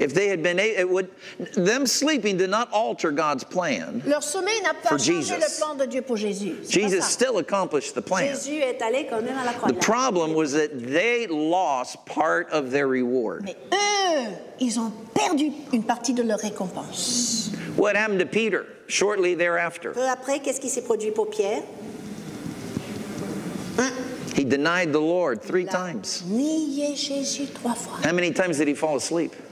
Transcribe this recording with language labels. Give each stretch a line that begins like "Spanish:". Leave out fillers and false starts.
English: if they had been, it would, them sleeping did not alter God's plan.
French: Leur sommeil n'a pas changé le plan de Dieu pour Jésus.
English: Jesus still accomplished the plan.
French: Jésus est allé quand même à la croix.
English: The problem was that they lost part of their reward.
French: Mais eux, ils ont perdu une partie de leur récompense.
English: What happened to Peter shortly thereafter?
French: Peu après, qu'est-ce qui s'est produit pour Pierre?
English: He denied the Lord three times.
French: Nié Jésus trois fois.
English: How many times did he fall asleep?